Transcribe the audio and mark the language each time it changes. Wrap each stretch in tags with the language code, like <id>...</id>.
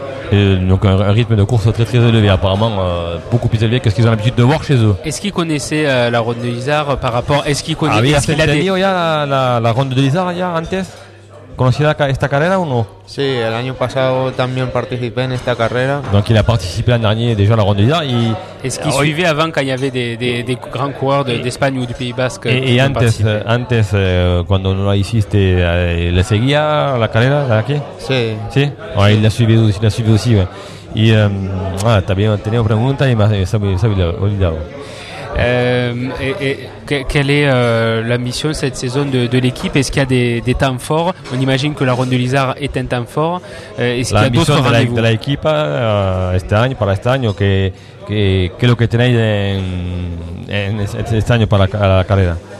<fr>Donc, un rythme de course très très élevé, apparemment, beaucoup plus élevé que ce qu'ils ont l'habitude de voir chez eux. Est-ce qu'ils connaissaient la Ronde de l'Isard par rapport. Est-ce qu'ils connaissaient. Ah oui, est-ce qu'il a dit, oh, la Ronde de l'Isard,</fr> <es>ya, antes? ¿Conocía esta carrera o no? Sí, el año pasado también participé en esta carrera. Donc il a participé l'an dernier déjà à la Ronde de l'Isard.</es> <fr>Est-ce qu'il suivait avant quand il y avait des grands coureurs d'Espagne ou du Pays Basque?</fr> <es>Et antes, cuando no la hiciste, ¿le seguía la carrera de aquí? Sí. ¿Sí?</es> <fr>Ouais, il l'a suivi aussi.</fr> <es>Y también tenía preguntas y me ha olvidado.</es> <fr>Quelle est la mission cette saison de l'équipe? Est-ce qu'il y a des temps forts? On imagine que la Ronde du Lizard est un temps fort. Est-ce qu'il y a d'autres rendez-vous? La mission de l'équipe cette année, pour cette année, qu'est-ce que vous avez cette année pour la carrière?</fr>